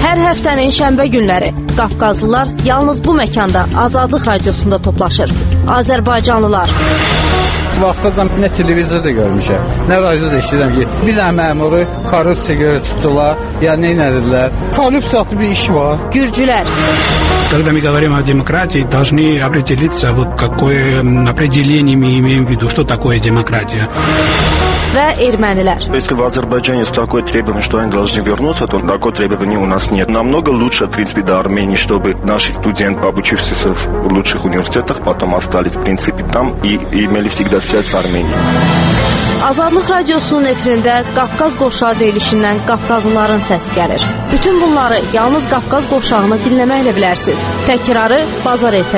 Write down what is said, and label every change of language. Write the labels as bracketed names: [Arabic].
[Azerbaijani] Həftənin şənbə günləri Qafqazlılar yalnız bu məkanda Azadlıq Radiosunda toplaşır. Azərbaycanlılar. Vaxtacam nə televizorda görmüşəm, nə radioda işləyirəm ki, bir dənə məmuru korrupsiya görə tutdular, ya nə edirlər? Korrupsiya bir iş var. Gürcülər. [Russian] Когда мы говорим о демократии, должны определиться, вот какое определение мы имеем в виду, что такое демократия. [Azerbaijani] və ermənilər. [Russian] Если в Азербайджане с такой требованием, что они должны вернуться, то такого требования у нас нет. Намного лучше, в принципе, до Армении, чтобы наши студенты, обучившиеся в лучших университетах, потом остались, в принципе, там и имели всегда связь с Арменией. [Azerbaijani] Azadlıq Radiosunun efirində Qafqaz Qovşağı deyilişindən Qafqazlıların səsi gəlir. Bütün bunları yalnız Qafqaz Qovşağını dinləməklə bilərsiniz. Təkrarı bazar ertəsi.